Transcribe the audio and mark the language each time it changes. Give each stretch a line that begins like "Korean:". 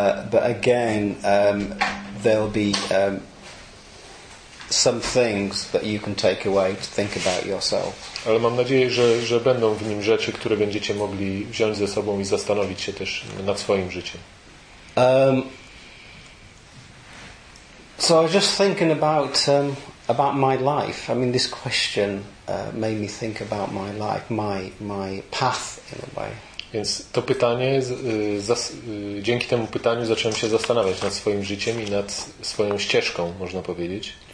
English: But again, there'll be some things that you can take away to think about yourself.
Polish: Ale mam nadzieję, że będą w nim rzeczy, które będziecie mogli wziąć ze sobą i zastanowić się też nad swoim życiem.
English: So I was just thinking about my life. I mean, this question made me think about my life, my path in a way.
Polish: Więc to pytanie, dzięki temu pytaniu zacząłem się zastanawiać nad swoim życiem i nad swoją ścieżką, można powiedzieć.